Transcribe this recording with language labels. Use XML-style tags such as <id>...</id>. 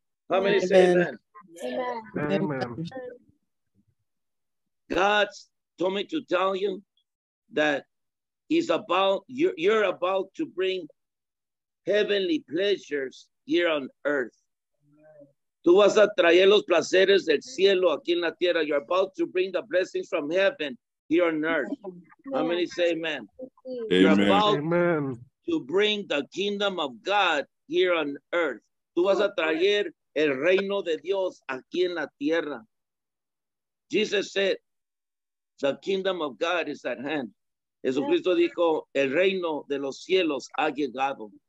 <en>How many say amen? Amen. Amen. God told me to tell you that he's about you're about to bring heavenly pleasures here on earth.</en> <es>Tú vas a traer los placeres del cielo aquí en la tierra.</es> <en>You're about to bring the blessings from heaven here on earth. How many say amen? Amen. You're about amen. To bring the kingdom of God here on earth.</en> <es>Tú vas a traer el reino de Dios aquí en la tierra.</es> <en>Jesus said, the kingdom of God is at hand.</en> <es>Jesucristo dijo, el reino de los cielos ha llegado.</es>